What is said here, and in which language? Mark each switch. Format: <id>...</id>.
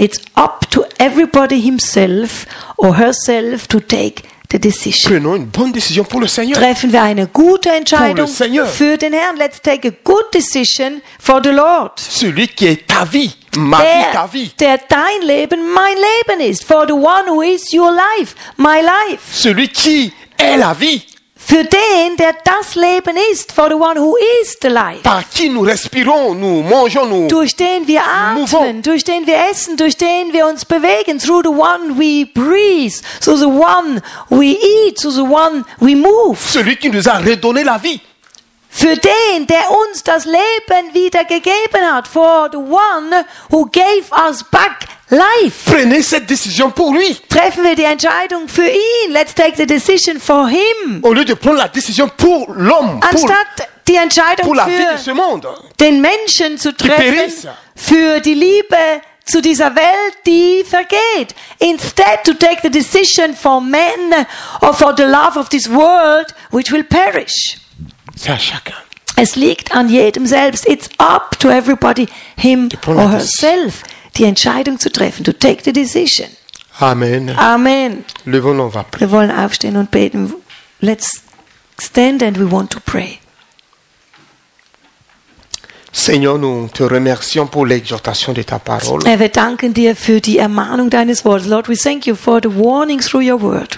<en>It's up to everybody himself or herself to take the decision.</en> <fr>Prenons une bonne décision pour le Seigneur.</fr> <de>Treffen wir eine gute Entscheidung für den Herrn.</de> <en>Let's take a good decision for the Lord.</en> <fr>Celui qui est ta vie, ma vie, ta vie.</fr> <de>Der dein Leben, mein Leben ist.</de> <en>For the one who is your life, my life.</en> <fr>Celui qui est la vie.</fr> <de>Für den, der das Leben ist,</de> <en>for the one who is the life.</en> <fr>Par qui nous respirons, nous mangeons, nous</fr> <de>durch den wir atmen,</de> <fr>mouvons.</fr> <de>Durch den wir essen, durch den wir uns bewegen,</de> <en>through the one we breathe, through the one we eat, through the one we move.</en> <fr>Celui qui nous a redonné la vie.</fr> <de>Für den, der uns das Leben wieder gegeben hat,</de> <en>for the one who gave us back life.</en> <fr>Prenez cette décision pour lui.</fr> <de>Treffen wir die Entscheidung für ihn.</de> <en>Let's take the decision for him.</en> <fr>Au lieu de prendre la décision pour l'homme,</fr> <de>anstatt</de> <fr>pour,</fr> <de>die Entscheidung</de> <fr>pour la</fr> <de>für</de> <fr>vie de ce monde,</fr> <de>den Menschen zu treffen, für die Liebe zu dieser Welt, die vergeht.</de> <en>Instead to take the decision for men or for the love of this world, which will perish.</en> <fr>C'est à chacun.</fr> <de>Es liegt an jedem selbst.</de> <en>It's up to everybody, him or herself.</en> <de>Die Entscheidung zu treffen,</de> <en>to take the decision.</en> <fr>Amen.</fr> <de>Amen.</de> <fr>Levons, on va prier.</fr> <de>Wir wollen aufstehen und beten.</de> <en>Let's stand and we want to pray.</en> <fr>Seigneur, nous te remercions pour l'exhortation de ta parole.</fr> <de>Herr, wir danken dir für die Ermahnung deines Wortes.</de> <en>Lord, we thank you for the warning through your word.</en>